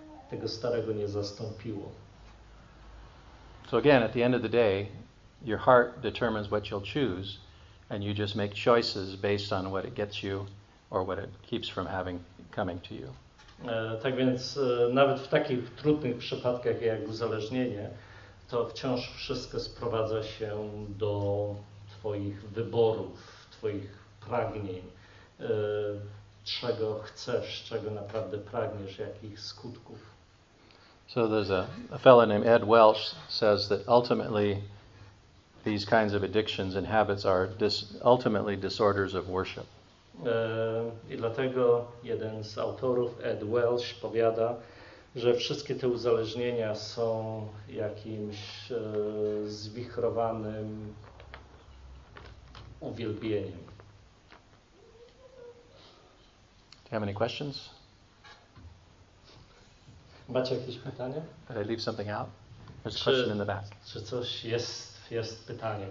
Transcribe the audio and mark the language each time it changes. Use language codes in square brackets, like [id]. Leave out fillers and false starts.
[pl] tego starego nie zastąpiło. [en] So again, at the end of the day, your heart determines what you'll choose, and you just make choices based on what it gets you or what it keeps from having coming to you. [pl] Tak więc nawet w takich trudnych przypadkach jak uzależnienie, to wciąż wszystko sprowadza się do twoich wyborów, twoich pragnień, czego chcesz, czego naprawdę pragniesz, jakich skutków. [en] So there's a fellow named Ed Welch says that ultimately these kinds of addictions and habits are ultimately disorders of worship. [pl] I dlatego jeden z autorów, Ed Welch, powiada, że wszystkie te uzależnienia są jakimś zwichrowanym uwielbieniem. [en] Do you have any questions? [pl] Macie jakieś pytania? [en] Did I leave something out? There's a question in the back. [pl] Czy coś jest, jest pytanie?